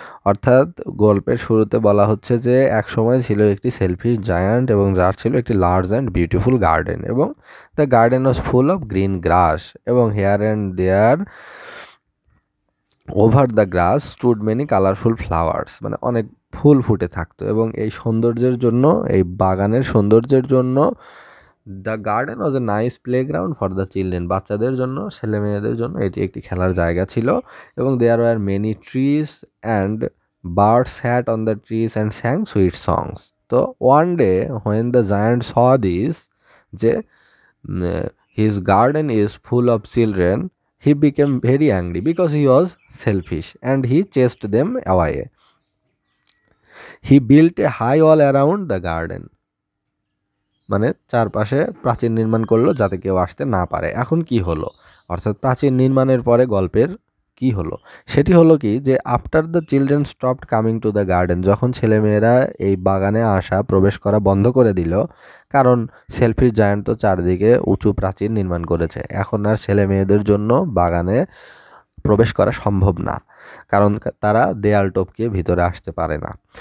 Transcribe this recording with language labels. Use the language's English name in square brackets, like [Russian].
[Bangla] অর্থাৎ গল্পের শুরুতে বলা হচ্ছে যে এক সময় ছিল একটি [English] selfish giant, [Bangla] এবং যার ছিল একটি [English] large and beautiful garden, এবং the garden was full of green grass, এবং here and there over the grass stood many colourful flowers, [Bangla] মানে অনেক ফুল ফুটে থাকতো। এবং এই সৌন্দর্যের জন্য, এই বাগানের সৌন্দর্যের জন্য, [English] the garden was a nice playground for the children, [Bangla] বাচ্চাদের জন্য, ছেলেমেয়েদের জন্য এটি একটি খেলার জায়গা ছিল। এবং [English] There were many trees and Birds sat on the trees and sang sweet songs. So one day when the giant saw this, his garden is full of children, he became very angry because he was selfish and he chased them away. He built a high wall around the garden. [Bangla] মানে চারপাশে প্রাচীর নির্মাণ করলো যাতে কেউ আসতে না পারে। এখন কি হলো, অর্থাৎ প্রাচীর নির্মাণের পরে গল্পের কি হলো, সেটি হলো কি যে [English] after the children stopped coming to the garden, [Bangla] যখন ছেলেমেয়েরা এই বাগানে আসা প্রবেশ করা বন্ধ করে দিল কারণ সেলফির জায়ান্ট তো চারদিকে উঁচু প্রাচীর নির্মাণ করেছে, এখন আর ছেলেমেয়েদের জন্য বাগানে প্রবেশ করা সম্ভব না কারণ তারা দেয়াল টপকে ভিতরে আসতে পারে না।